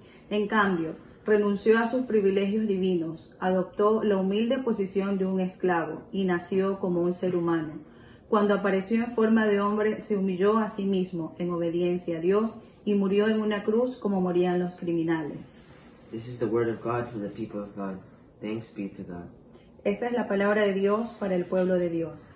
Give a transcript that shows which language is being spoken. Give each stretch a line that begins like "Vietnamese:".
Spanish: En cambio, renunció a sus privilegios divinos, adoptó la humilde posición de un esclavo y nació como un ser humano. Cuando apareció en forma de hombre, se humilló a sí mismo en obediencia a Dios y murió en una cruz como morían los criminales.
English: This is the word of God for the people of God. Thanks be to God.
Spanish: Esta es la palabra de Dios para el pueblo de Dios.